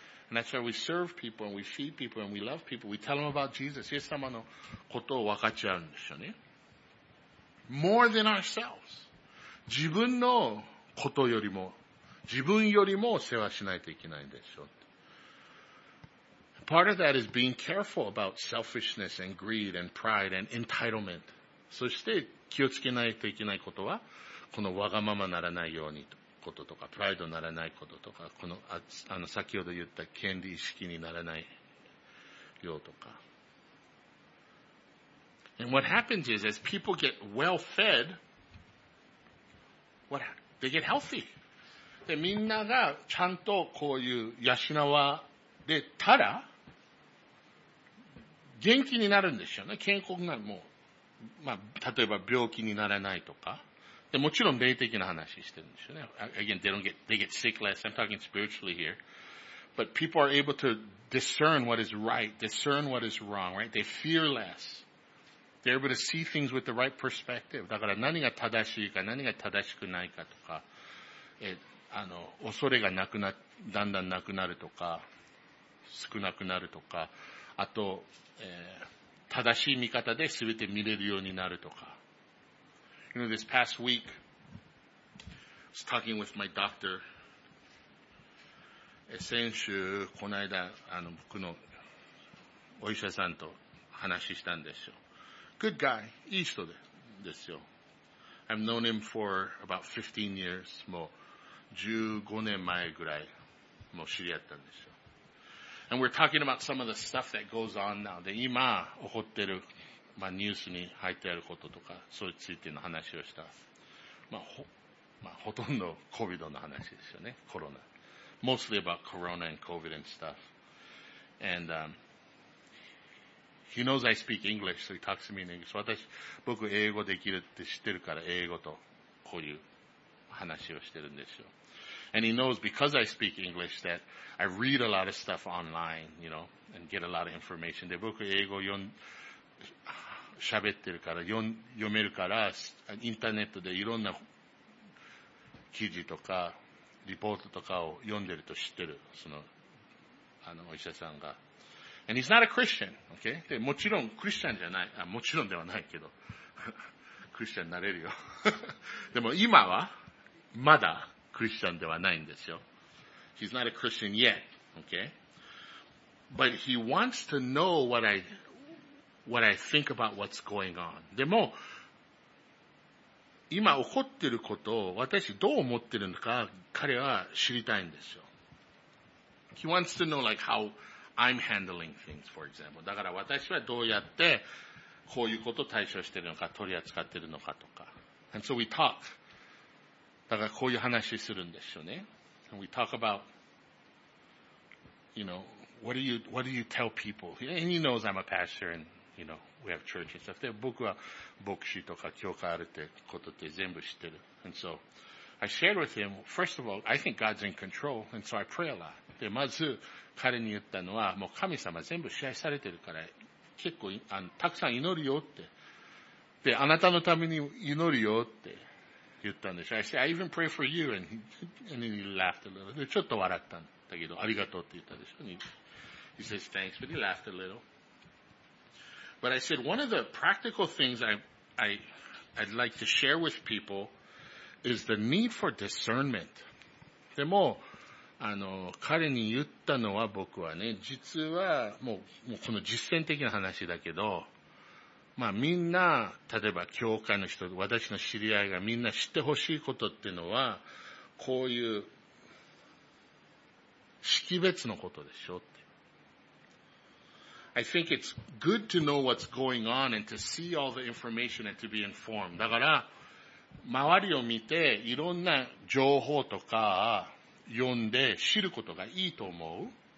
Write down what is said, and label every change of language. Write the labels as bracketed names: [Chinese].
[English] And that's why we serve people and we feed people and we love people. We tell them about Jesus. [Japanese] イエス様のことを分かち合うんでしょうね。 [English] More than ourselves. [Japanese] 自分のことよりも、自分よりも世話しないといけないんでしょう。 [English] Part of that is being careful about selfishness and greed and pride and entitlement. [Japanese] そして気をつけないといけないことは、このわがままならないようにこととか、プライドならないこととか、この、先ほど言った権利意識にならないようとか。 [English] And what happens is, as people get well fed, they get healthy. [Japanese] で、みんながちゃんとこういう養われたら、元気になるんですよね。健康になる。もう。まあ、例えば病気にならないとか。で、もちろん霊的な話してるんですよね。 [English] Again, they get sick less. I'm talking spiritually here. But people are able to discern what is right, discern what is wrong, right? They fear less. They're able to see things with the right perspective. [Japanese] だから何が正しいか、何が正しくないかとか、恐れがなくな、だんだんなくなるとか、少なくなるとか、あと、正しい見方で全て見れるようになるとか。 [English] You know, this past week, I was talking with my doctor. [Japanese] 先週、この間、僕のお医者さんと話したんですよ。 [English] Good guy. [Japanese] いい人ですよ。 [English] I've known him for about 15 years. [Japanese] もう15年前ぐらい、もう知り合ったんですよ。 [English] And we're talking about some of the stuff that goes on now. [Japanese] で、今、起こってる、まあ、ニュースに入ってあることとか、それについての話をした。まあ、ほとんど COVID の話ですよね。コロナ。 [English] Mostly about Corona and COVID and stuff. And, he knows I speak English, so he talks to me in English. [Japanese] 私、僕英語できるって知ってるから、英語とこういう話をしてるんですよ。 [English] And he knows because I speak English that I read a lot of stuff online, you know, and get a lot of information. [Japanese] で、僕英語読ん、喋ってるから、読めるから、インターネットでいろんな記事とか、リポートとかを読んでると知ってる。その、お医者さんが。 [English] And he's not a Christian, okay? [Japanese] で、もちろん、クリスチャンじゃない、あ、もちろんではないけど、クリスチャンになれるよ。でも今は、まだ、クリスチャンではないんですよ。 [English] He's not a Christian yet, okay? But he wants to know what I think about what's going on. [Japanese] でも、今起こっていることを私どう思ってるのか彼は知りたいんですよ。 [English] He wants to know like how I'm handling things, for example. [Japanese] だから私はどうやってこういうことを対処してるのか取り扱ってるのかとか。 [English] And so we talk. [Japanese] だからこういう話するんですよね。 [English] And we talk about, you know, what do you tell people? And he knows I'm a pastor and, you know, we have church and stuff. [Japanese] で、僕は牧師とか教会あるってことって全部知ってる。 [English] And so, I shared with him, first of all, I think God's in control, and so I pray a lot. [Japanese] で、まず彼に言ったのは、もう神様全部支配されてるから、結構、たくさん祈るよって。で、あなたのために祈るよって。言ったんでしょ。 [English] I said, I even pray for you. And he laughed a little. [Japanese] ちょっと笑ったんだけど、ありがとうって言ったでしょ。 [English] He says, thanks, but he laughed a little. But I said, one of the practical things I'd like to share with people is the need for discernment. [Japanese] でも、彼に言ったのは僕はね、実はもうこの実践的な話だけど、まあみんな、例えば教会の人、私の知り合いがみんな知ってほしいことっていうのは、こういう、識別のことでしょって。 [English] I think it's good to know what's going on and to see all the information and to be informed. [Japanese] だから、周りを見て、いろんな情報とか、読んで知ることがいいと思う。